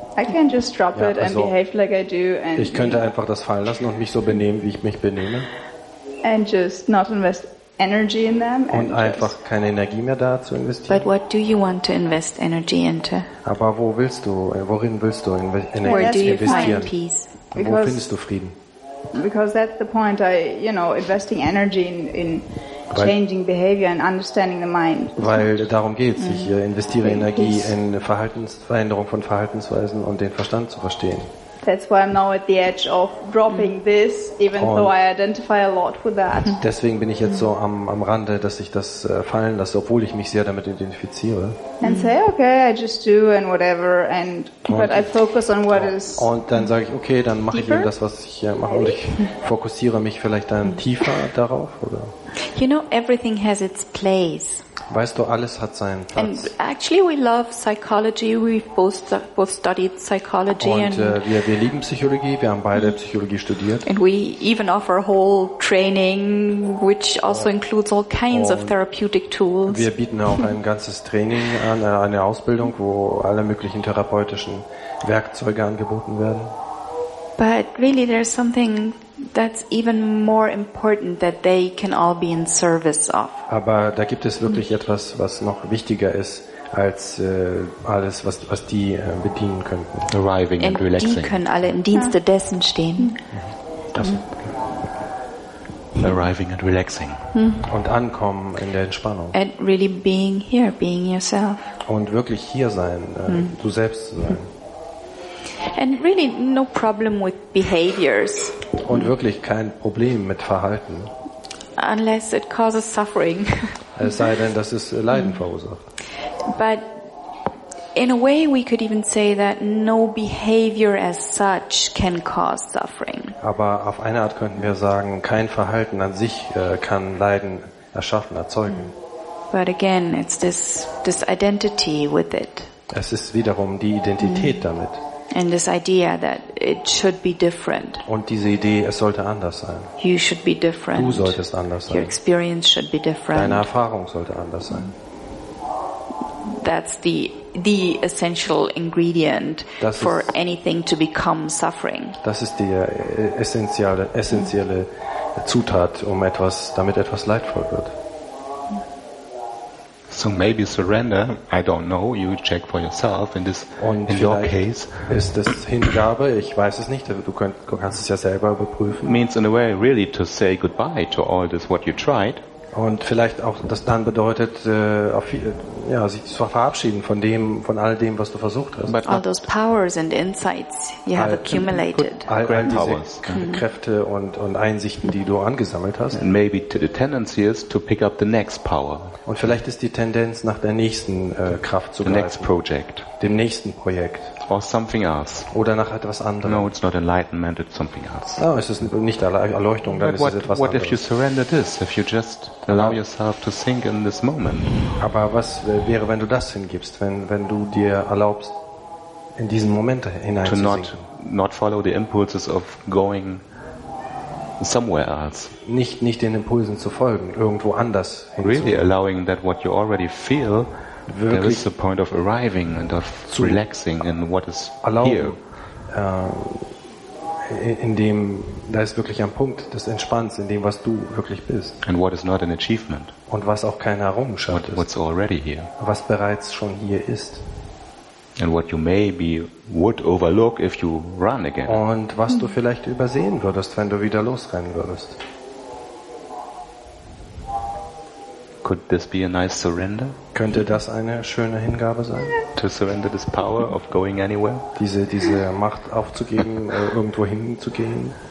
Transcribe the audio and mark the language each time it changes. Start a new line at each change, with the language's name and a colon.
English: I can just drop it and behave like I do. And
German: ich könnte einfach das fallen lassen und mich so benehmen, wie ich mich benehme.
English: And just not invest energy in them.
German: Und einfach keine Energie mehr da zu investieren.
English: But what do you want to invest energy into?
German: Aber worin willst du Energie investieren? Wo findest du Frieden?
English: Because that's the point. I, you know, investing energy in changing behavior and understanding the mind.
German: Weil darum geht's. Ich investiere Energie in Verhaltensveränderung von Verhaltensweisen und den Verstand zu verstehen.
English: That's why I'm now at the edge of dropping this, even though I identify a lot with that.
German: Deswegen bin ich jetzt so am Rande, dass ich das fallen lasse, obwohl ich mich sehr damit identifiziere.
English: And say, okay, I just do and whatever, and but I focus on what is.
German: Und dann sage ich, okay, dann mache ich eben das, was ich mache, und ich fokussiere mich vielleicht dann tiefer darauf, oder?
English: You know, everything has its place.
German: Weißt du, alles hat seinen Platz.
English: And actually, we love psychology. We both studied psychology.
German: Und wir lieben Psychologie. Wir haben beide Psychologie studiert.
English: And we even offer whole training, which also includes all kinds of therapeutic tools.
German: Wir bieten auch ein ganzes Training an, eine Ausbildung, wo alle möglichen therapeutischen Werkzeuge angeboten werden.
English: But really, there's something that's even more important that they can all be in service of.
German: Aber da gibt es wirklich etwas, was noch wichtiger ist als alles, was die bedienen könnten.
English: Arriving and relaxing.
German: Die können alle im Dienste dessen stehen.
English: Arriving and relaxing.
German: Und ankommen in der Entspannung.
English: And really being here, being yourself.
German: Und wirklich hier sein, du selbst zu sein.
English: And really no problem with behaviors.
German: Und wirklich kein Problem mit Verhalten.
English: Unless it causes suffering.
German: Es sei denn, dass es Leiden verursacht.
English: But in a way we could even say that no behavior as such can cause suffering.
German: Aber auf eine Art könnten wir sagen, kein Verhalten an sich kann Leiden erschaffen, erzeugen.
English: But again, it's this identity with it.
German: Es ist wiederum die Identität damit.
English: And this idea that it should be different.
German: Und diese Idee, es sollte anders sein.
English: You should be different.
German: Du solltest anders sein.
English: Your experience should be different.
German: Deine Erfahrung sollte anders sein.
English: That's the essential ingredient for anything to become suffering.
German: Das ist die essentielle Zutat, damit etwas leidvoll wird.
English: So maybe surrender, I don't know, you check for yourself in this
German: und
English: in your case.
German: Ist das Hingabe, ich weiß es nicht, du kannst es ja selber überprüfen.
English: Means in a way really to say goodbye to all this what you tried.
German: Und vielleicht auch das dann bedeutet sich zwar verabschieden von all dem, was du versucht hast.
English: But all those powers and insights you have accumulated.
German: All diese Kräfte und Einsichten, die du angesammelt hast.
English: And maybe the tendency is to pick up the next power.
German: Und vielleicht ist die Tendenz nach der nächsten Kraft zu greifen.
English: The next project.
German: Dem nächsten Projekt.
English: Or something else.
German: Oder nach etwas anderem.
English: No, it's not enlightenment, it's something else.
German: Oh, es ist nicht Erleuchtung, dann ist es etwas
English: what
German: anderes.
English: What if you surrender this? If you just allow yourself to sink in this moment.
German: Aber was wäre, wenn du das hingibst, wenn du dir erlaubst, in diesen Moment hinein
English: to not follow the impulses of going somewhere else.
German: Nicht den Impulsen zu folgen, irgendwo anders
English: hin. Really allowing that what you already feel,
German: wirklich
English: there is the point of arriving and of relaxing in what is
German: erlauben,
English: here.
German: In dem, da ist wirklich ein Punkt des Entspannens in dem, was du wirklich bist.
English: And what is not an achievement.
German: Und was auch keine Errungenschaft ist.
English: What's already here.
German: Was bereits schon hier ist.
English: And what you maybe would overlook if you run again.
German: Und was du vielleicht übersehen würdest, wenn du wieder losrennen würdest.
English: Could this be a nice surrender?
German: Könnte das eine schöne Hingabe sein?
English: To surrender this power of going anywhere?
German: Diese Macht aufzugeben, irgendwo hinzugehen.